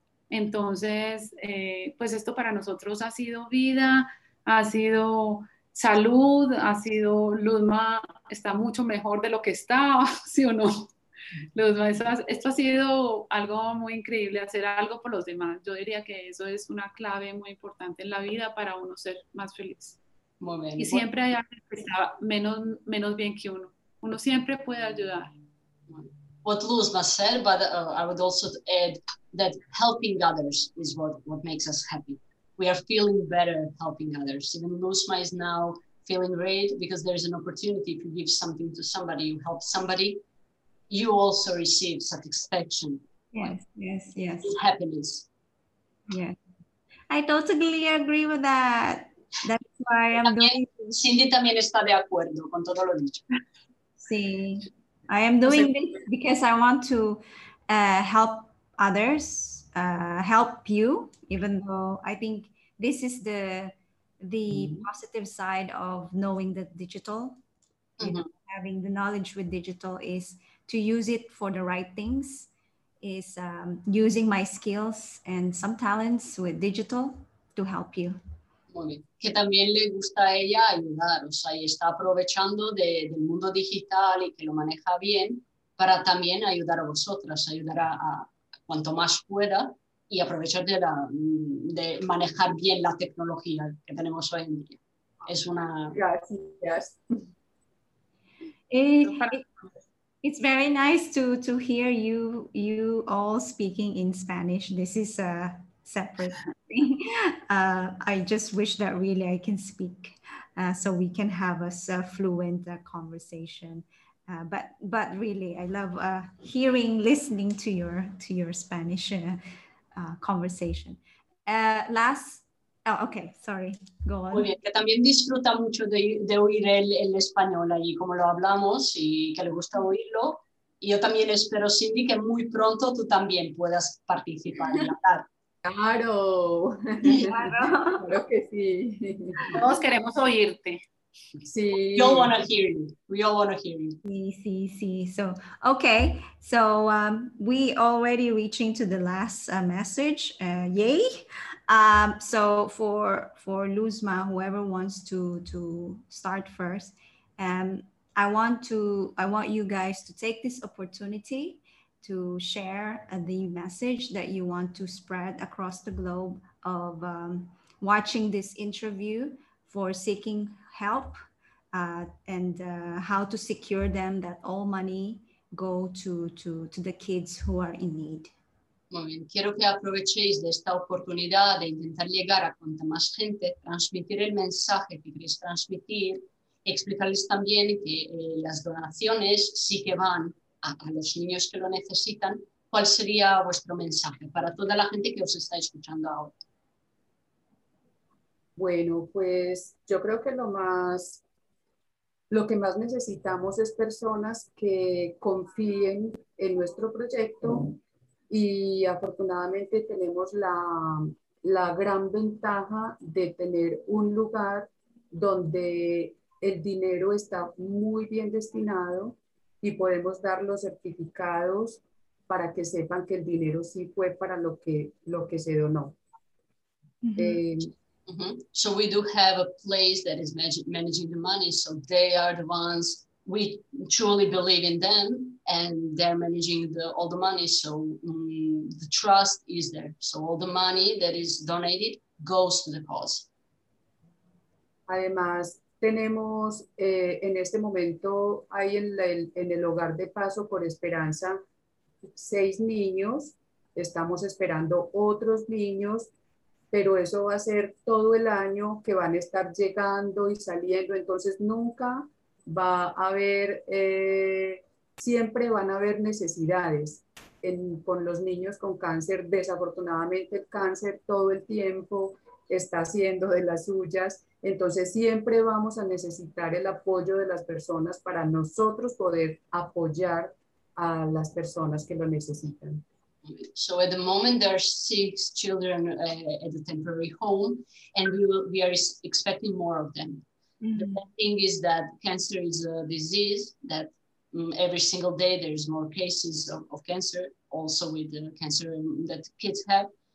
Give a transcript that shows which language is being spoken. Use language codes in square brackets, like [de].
[es] Entonces, pues esto para nosotros ha sido vida, ha sido salud, ha sido Luzma, está mucho mejor de lo que estaba, ¿sí o no? Luzma, esto ha sido algo muy increíble, hacer algo por los demás. Yo diría que eso es una clave muy importante en la vida para uno ser más feliz. Muy bien. Y siempre hay alguien que está menos bien que uno. Uno siempre puede ayudar. [en] What Luzma said, but I would also add that helping others is what makes us happy. We are feeling better helping others. Even Luzma is now feeling great because there's an opportunity to give something to somebody, you help somebody, you also receive satisfaction. Yes, yes, yes. Happiness. Yes. I totally agree with that. That's why I'm doing this. [es] Cindy también está de acuerdo con todo lo dicho. Sí. [en] I am doing this because I want to help others, help you, even though I think this is the mm-hmm. positive side of knowing the digital, you mm-hmm. know, having the knowledge with digital is to use it for the right things, is using my skills and some talents with digital to help you. [es] Muy bien. Que también le gusta a ella ayudar, o sea, y está aprovechando del mundo digital y que lo maneja bien para también ayudar a vosotras, ayudar a cuanto más pueda. Y aprovechar de manejar bien la tecnología que tenemos hoy en día. Es una... Gracias. [en] It's very nice to hear you all speaking in Spanish. This is a separate thing. I just wish that really I can speak so we can have a fluent conversation. But really, I love hearing, listening to your Spanish conversation. Go on. [es] Muy bien, que también disfruta mucho de oír el español allí, como lo hablamos, y que le gusta oírlo. Y yo también espero, Cindy, que muy pronto tú también puedas participar en hablar. Claro. Claro. Creo que sí. Todos queremos oírte. Sí. [en] We all want to hear you. We all want to hear you. [es] Sí, sí, sí. [en] So, okay. So, we already reaching to the last message. Yay. So for Luzma, whoever wants to start first, I want you guys to take this opportunity to share the message that you want to spread across the globe of watching this interview for seeking help and how to secure them that all money go to the kids who are in need. [es] Muy bien, quiero que aprovechéis de esta oportunidad de intentar llegar a cuanta más gente, transmitir el mensaje que queréis transmitir, explicarles también que las donaciones sí que van a los niños que lo necesitan. ¿Cuál sería vuestro mensaje para toda la gente que os está escuchando ahora? Bueno, pues yo creo que lo que más necesitamos es personas que confíen en nuestro proyecto. Y afortunadamente tenemos la gran ventaja de tener un lugar donde el dinero está muy bien destinado y podemos dar los certificados para que sepan que el dinero sí fue para lo que se donó. Mm-hmm. Mm-hmm. [en] So we do have a place that is managing the money, so they are the ones, we truly believe in them. And they're managing all the money, so the trust is there. So all the money that is donated goes to the cause. [es] Además, tenemos en este momento hay en el hogar de Paso por Esperanza 6 niños. Estamos esperando otros niños, pero eso va a ser todo el año que van a estar llegando y saliendo. Entonces nunca va a haber siempre van a haber necesidades con los niños con cáncer. Desafortunadamente, el cáncer todo el tiempo está haciendo de las suyas. Entonces, siempre vamos a necesitar el apoyo de las personas para nosotros poder apoyar a las personas que lo necesitan. [en] So at the moment there are 6 children at the temporary home, and we are expecting more of them. Mm-hmm. The thing is that cancer is a disease that every single day there's more cases of cancer, also with the cancer that kids have.